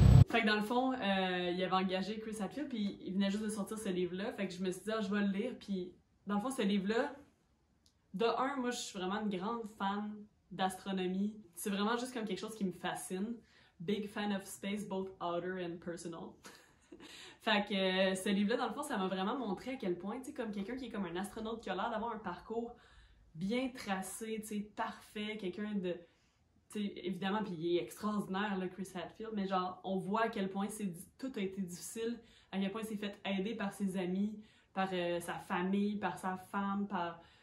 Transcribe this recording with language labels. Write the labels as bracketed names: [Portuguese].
[French] Fait que dans le fond, il avait engagé Chris Hadfield, puis il venait juste de sortir ce livre-là, fait que je me suis dit, ah, je vais le lire, puis dans le fond, ce livre-là, de un, moi, je suis vraiment une grande fan d'astronomie. C'est vraiment juste comme quelque chose qui me fascine. [English] Big fan of space, both outer and personal. [French] Fait que ce livre-là, dans le fond, ça m'a vraiment montré à quel point, tu sais, comme quelqu'un qui est comme un astronaute, qui a l'air d'avoir un parcours bien tracé, tu sais, parfait, quelqu'un de... T'sais, évidemment, puis il est extraordinaire, là, Chris Hadfield, mais genre, on voit à quel point tout a été difficile, à quel point il s'est fait aider par ses amis, par sa famille, par sa femme, par...